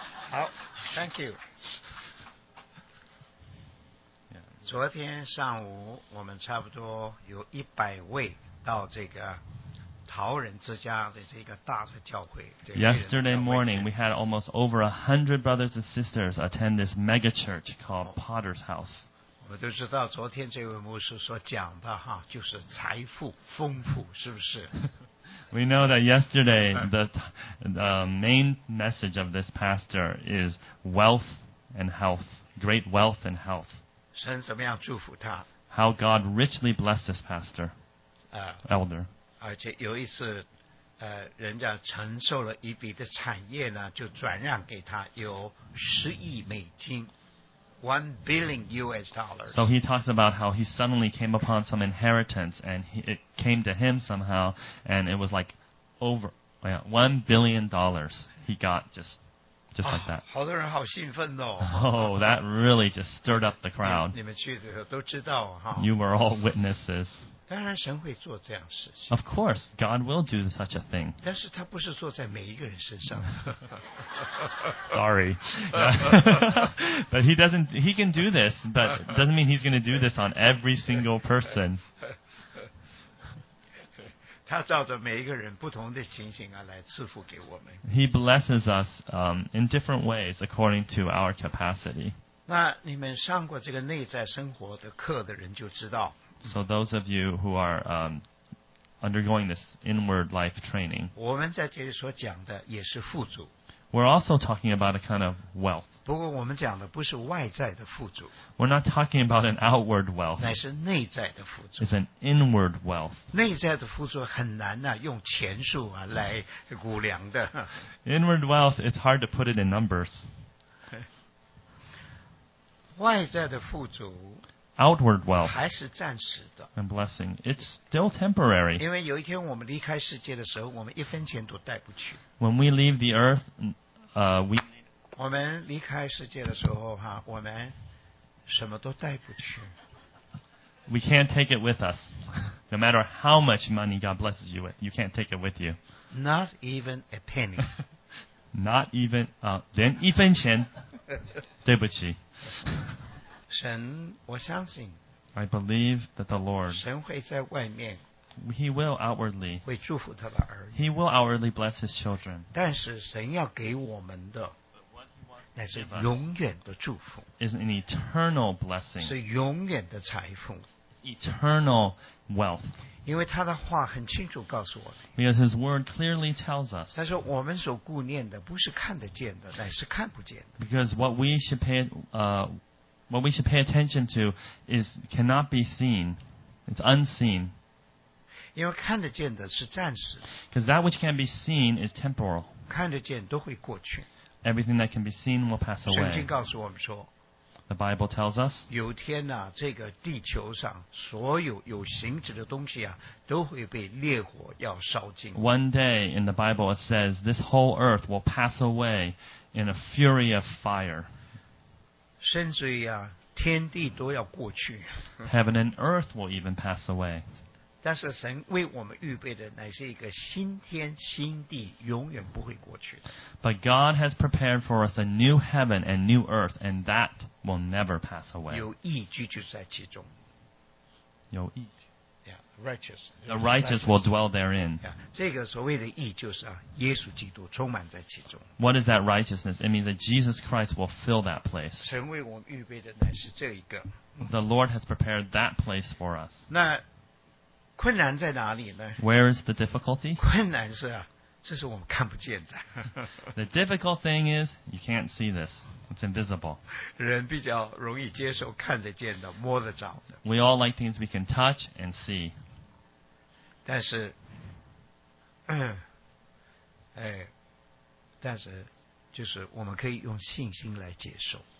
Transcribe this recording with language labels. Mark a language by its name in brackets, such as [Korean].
[English] 好 ，Thank you。 [Chinese] 昨天上午我们差不多有100位到这个陶人之家的这个大的教会。 [English] Yesterday morning, we had almost over 100 brothers and sisters attend this mega church called Potter's House. [Chinese] 我们都知道昨天这位牧师所讲的哈，就是财富丰富，是不是？ [English] We know that yesterday the main message of this pastor is wealth and health, great wealth and health. [Chinese] 神怎么样祝福他 [English] ？How God richly blessed this pastor, elder. [Chinese] 而且有一次，人家承受了一笔的产业呢，就转让给他，有$10 billion $1 billion. [English] So he talks about how he suddenly came upon some inheritance, and it came to him somehow, and it was like over $1 billion he got just like that. [Chinese] 好多人好兴奋哦。 [English] Oh, that really just stirred up the crowd. [Chinese] 你们去的时候都知道哈。 [English] You were all witnesses. [Chinese] 当然神会做这样事情。 [English] Of course, God will do such a thing. [Chinese] 但是他不是做在每一个人身上。 [English] Sorry. But he can do this, but doesn't mean he's going to do this on every single person. [Chinese] 他照着每一个人不同的情形啊来赐福给我们。 [English] He blesses us in different ways according to our capacity. [Chinese] 那你们上过这个内在生活的课的人就知道。 [English] So those of you who are undergoing this inward life training. [Chinese] 我们在这里所讲的也是富足。 [English] We're also talking about a kind of wealth. [Chinese] 不过我们讲的不是外在的富足。 [English] We're not talking about an outward wealth. [Chinese] 乃是内在的富足。 [English] It's an inward wealth. [Chinese] 内在的富足很难啊，用钱数啊来估量的。 [English] Inward wealth, it's hard to put it in numbers. [Chinese] 外在的富足。 [English] Outward wealth. [Chinese] 还是暂时的。 [English] And blessing. It's still temporary. [Chinese] 因为有一天我们离开世界的时候，我们一分钱都带不去。 [English] When we leave the earth, we. [Chinese] 我们离开世界的时候，哈，我们什么都带不去。 [English] We can't take it with us. No matter how much money God blesses you with, you can't take it with you. Not even a penny. Not even, [Chinese] 连一分钱，对不起。神，我相信。 [English] I believe that the Lord. [Chinese] 神会在外面。 [English] He will outwardly. [Chinese] 会祝福他的儿女。 [English] He will outwardly bless his children. [Chinese] 但是神要给我们的，乃是永远的祝福。 [English] Is an eternal blessing. [Chinese] 是永远的财富。 [English] Eternal wealth. [Chinese] 因为他的话很清楚告诉我们。 [English] Because his word clearly tells us. [Chinese] 他说我们所顾念的不是看得见的，乃是看不见的。 [English] Because what we should pay, What we should pay attention to is cannot be seen. It's unseen. [Chinese] 因为看得见的是暂时。 [English] Because that which can be seen is temporal. [Chinese] 看得见都会过去。 [English] Everything that can be seen will pass away. [Chinese] 圣经告诉我们说, [English] The Bible tells us, [Chinese] 有天啊,这个地球上所有有形质的东西啊,都会被烈火要烧尽。 [English] One day in the Bible it says, this whole earth will pass away in a fury of fire. [Chinese] 甚至啊,天地都要过去。 [English] Heaven and earth will even pass away. [Chinese] 但是神为我们预备的乃是一个新天新地，永远不会过去的。 [English] But God has prepared for us a new heaven and new earth, and that will never pass away. [Chinese] 有义居就在其中。有义。 [English] Yeah, righteous. The righteous will dwell therein. [Chinese] Yeah, 这个所谓的义就是啊，耶稣基督充满在其中。 [English] What is that righteousness? It means that Jesus Christ will fill that place. [Chinese] 神为我们预备的乃是这一个。 [English] The Lord has prepared that place for us. [Chinese] 那困难在哪里呢? [English] Where is the difficulty? [Chinese] 困难是啊，这是我们看不见的。 [English] The difficult thing is, you can't see this. It's invisible. [Chinese] 人比较容易接受看得见的，摸得着的。 [English] We all like things we can touch and see. [Chinese] 但是，但是就是我们可以用信心来接受。